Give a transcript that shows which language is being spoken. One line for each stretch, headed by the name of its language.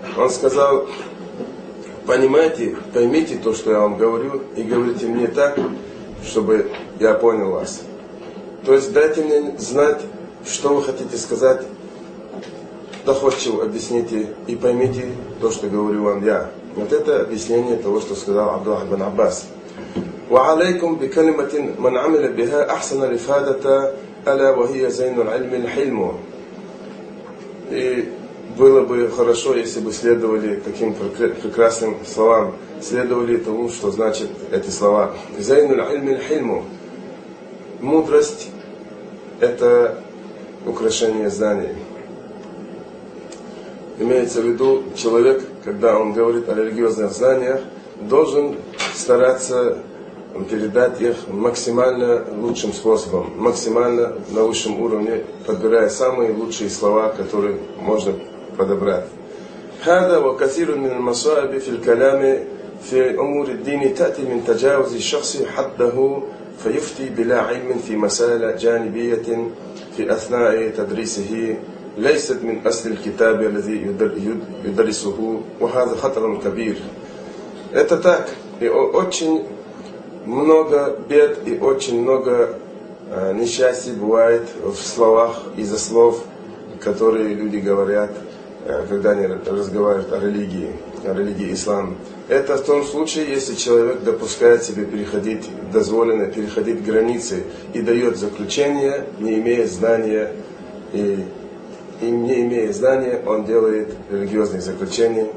Russian: Он сказал: понимайте, поймите то, что я вам говорю, и говорите мне так, чтобы я понял вас. То есть дайте мне знать, что вы хотите сказать, доходчиво объясните и поймите то, что говорю вам я. Вот это объяснение того, что сказал Абдуллах бен Аббас.
Arabic: وعليكم بكلمة من عمل بها أحسن الإفادة ألا وهي زين العلم الحلم.
Russian: И было бы хорошо, если бы следовали таким прекрасным словам, следовали тому, что значит эти слова.
Arabic: زين العلم الحلم.
Russian: Мудрость — это украшение знаний. Имеется в виду, человек, когда он говорит о религиозных знаниях, должен стараться передать их максимально лучшим способом, максимально на высшем уровне, подбирая самые лучшие слова, которые можно подобрать.
Arabic: هذا وكثير من المصائب في الكلام في أمور الدين تأتي من تجاوز الشخص حده فيفتي بلا علم في مسائل جانبية في أثناء تدريسه ليست من أصل الكتاب الذي يدرسه وهذا خطر كبير.
Russian: Это так, и очень много бед и очень много несчастий бывает в словах, из-за слов, которые люди говорят, когда они разговаривают о религии ислам. Это в том случае, если человек допускает себе переходить, дозволено переходить границы и дает заключение, не имея знания, и не имея знания, он делает религиозные заключения.